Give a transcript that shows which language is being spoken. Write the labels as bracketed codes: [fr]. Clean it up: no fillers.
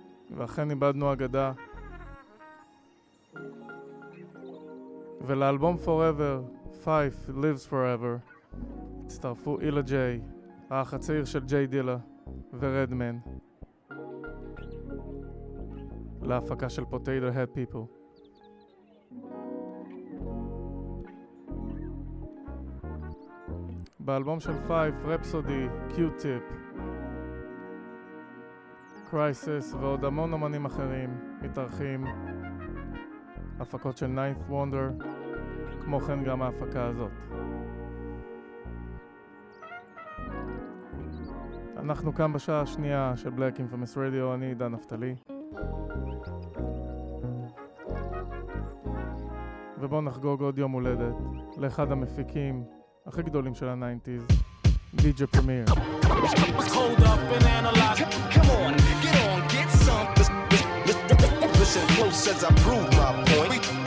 [he] ואכן איבדנו אגדה. ולאלבום Forever, פייף Lives Forever, הצטרפו אילה ג'יי, האח הצעיר של ג'יי דילה ורדמן. להפקה של Potato Head People. באלבום של פייף, רפסודי, קיוטיפ, קרייסיס ועוד המון אמנים אחרים מתארחים הפקות של Ninth Wonder, כמו כן גם ההפקה הזאת. אנחנו כאן בשעה השנייה של Black Infamous Radio, אני עידן נפתלי. ובואו נחגוג עוד יום הולדת לאחד המפיקים הכי גדולים של ה-90s, DJ Premier. [en] Hold up and analyze. Come on, get on, get something. Listen close as I prove my point.